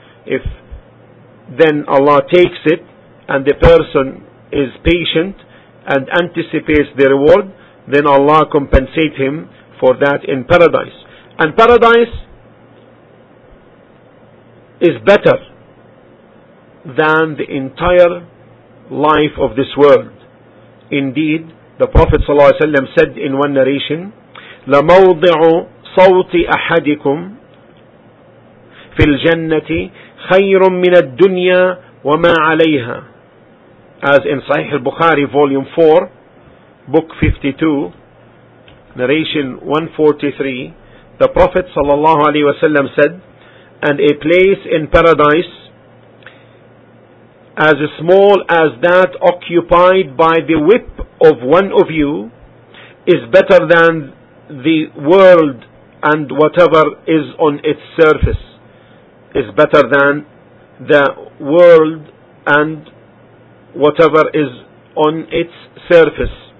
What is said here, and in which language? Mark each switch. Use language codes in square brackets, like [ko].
[en] If then Allah takes it and the person is patient and anticipates the reward, then Allah compensates him for that in paradise. And paradise is better than the entire life of this world. Indeed, the Prophet ﷺ said in one narration, [ar] لموضع صوت أحدكم في الجنة خير من الدنيا وما عليها. [en] As in Sahih al-Bukhari volume 4, book 52, narration 143, the Prophet sallallahu alayhi wasallam said, and a place in paradise as small as that occupied by the whip of one of you is better than the world and whatever is on its surface, is better than the world and whatever is on its surface.